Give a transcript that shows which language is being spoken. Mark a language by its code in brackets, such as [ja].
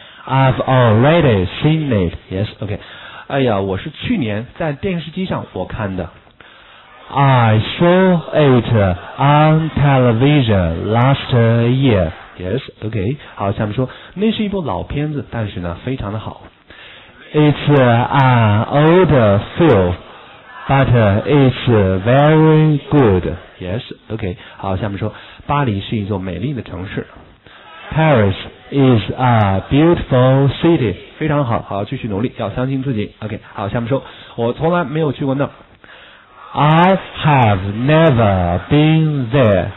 [en] I've already seen it. Yes, OK. [zh] 哎呀，我是去年在电视机上我看的。 [en] I saw it on television last year. Yes, OK. [zh] 好，下面说，那是一部老片子，但是呢，非常的好。 [en] It's an old film, but it's very good. Yes, OK. [zh] 好，下面说，巴黎是一座美丽的城市。 [en] Paris. Is a beautiful city. [zh] 非常好，好，继续努力，要相信自己。OK, 好，下面说，我从来没有去过那儿。 [en] I have never been there.